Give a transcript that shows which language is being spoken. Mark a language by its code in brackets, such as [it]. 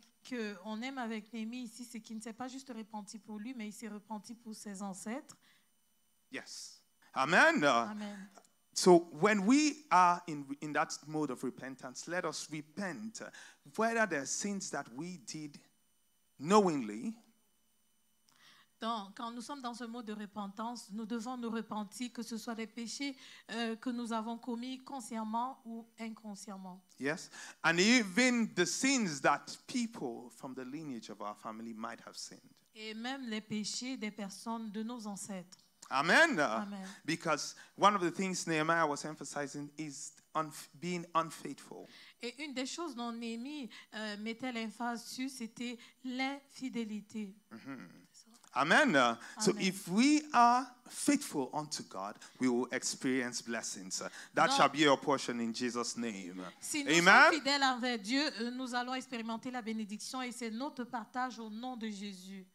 [fr] Qu'on aime avec Néhémie ici, c'est qu'il ne s'est pas juste repenti pour lui, mais il s'est repenti pour ses ancêtres. [en] Yes. Amen. Amen. So when we are in that mode of repentance, let us repent. Whether there are sins that we did knowingly. [fr] Donc, quand nous sommes dans ce mode de repentance, nous devons nous repentir, que ce soit des péchés que nous avons commis consciemment ou inconsciemment. [en] Yes, and even the sins that people from the lineage of our family might have sinned. [fr] Et même les péchés des personnes de nos ancêtres. [en] Amen. Amen. Because one of the things Nehemiah was emphasizing is being unfaithful. [fr] Et une des choses dont Néhémie mettait l'emphase sur, c'était l'infidélité. [en] Mm-hmm. Amen. Amen. So if we are faithful unto God, we will experience blessings. That shall be your portion in Jesus' name. [fr] Si nous sommes fidèles envers Dieu, nous allons expérimenter la bénédiction et c'est notre partage au nom de Jésus.